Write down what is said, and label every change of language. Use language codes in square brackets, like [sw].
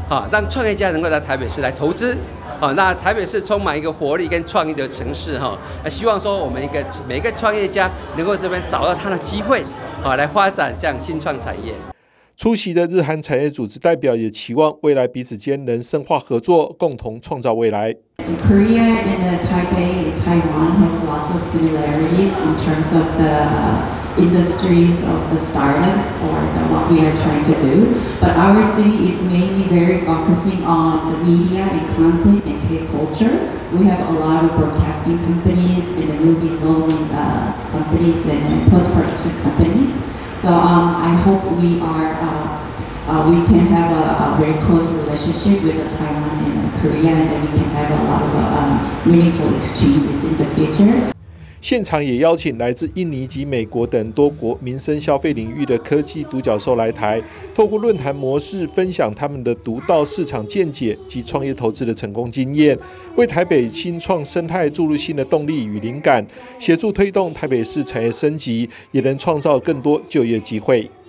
[zh] 让创业家能够到台北市来投资那台北市充满一个活力跟创意的城市希望说我们每一个创业家能够这边找到他的机会来发展这样新创产业。出席的日韩产业组织代表也期望未来彼此间能深化合作，共同创造未来。 [en] Korea and Taipei, Taiwan has lots of similarities in terms of the industries of the startups or what we are trying to do. But our city is mainly very focusing on the media and content and K-culture. We have a lot of broadcasting companies and the movie filming companies and post-production companies. So I hope we can have a very close relationship with Taiwan and Korea, and we can have a lot of meaningful exchanges in the future. [zh] 现场也邀请来自印尼及美国等多国民生消费领域的科技独角兽来台，透过论坛模式分享他们的独到市场见解及创业投资的成功经验，为台北新创生态注入新的动力与灵感，协助推动台北市产业升级，也能创造更多就业机会。